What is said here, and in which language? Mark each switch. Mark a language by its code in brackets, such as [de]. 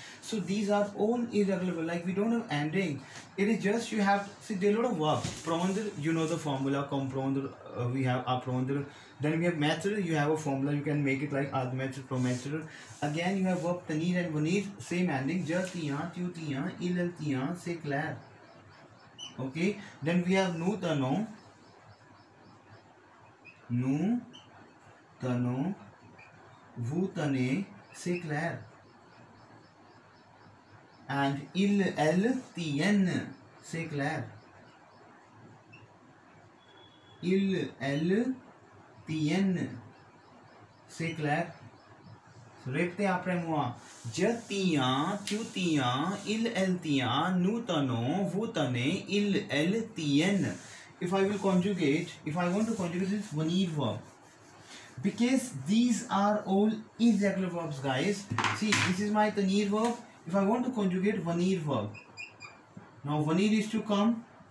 [en] So these are all irregular verbs, like we don't have ending. It is just you have, see there are a lot of verbs. Prendre, you know the formula, comprendre, we have apprendre. Then we have mettre, you have a formula, you can make it like admettre, promettre. Again you have verb tenir and venir, same ending. [fr] Je tiens, tu tiens, il tient, c'est clair. [en] Okay, then we have [fr] nous tenons. Nous tenons, vous tenez, c'est clair. And il, elle, tienne, c'est clair. Il, elle, tienne, c'est clair. Répétez après moi. Je tiens, tu tiens, il, elle, tient, nous tenons, vous tenez, il, elle, tienne. [en] If I will conjugate, if I want to conjugate this venir verb, because these are all irregular verbs, guys. See, this is my tenir verb. If I want to conjugate venir verb, now venir is to come.